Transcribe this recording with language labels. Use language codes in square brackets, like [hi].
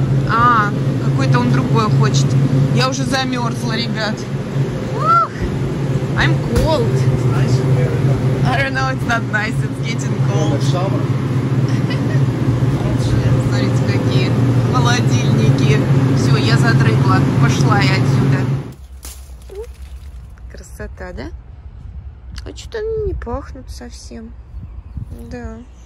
[ru] А, какой-то он другой хочет. Я уже замерзла, ребят. [en] Ух, I'm cold. I don't know, it's not nice, it's getting cold. [ru] Смотрите, какие холодильники. Все, я задрыгла, пошла я отсюда. Красота, да? А что-то они не пахнут совсем. Да.